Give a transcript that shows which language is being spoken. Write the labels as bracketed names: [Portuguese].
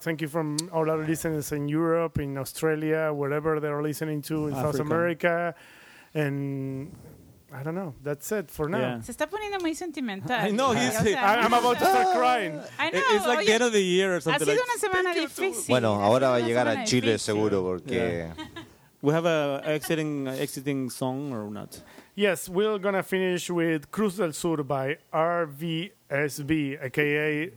[English] Thank you from all our listeners in Europe, in Australia, wherever they're listening to, in Africa. South America. And I don't know. That's it for now. [Spanish] Se está poniendo muy sentimental. [English] I know. He's I'm about to start crying. I know. It's like the end of the year or something. [Spanish] Ha sido [English] like, [Spanish] una semana difícil. Bueno, ahora va a llegar a Chile seguro porque... [English] Yeah. We have an exiting song or not? Yes, we're going to finish with Cruz del Sur by RVSB, a.k.a.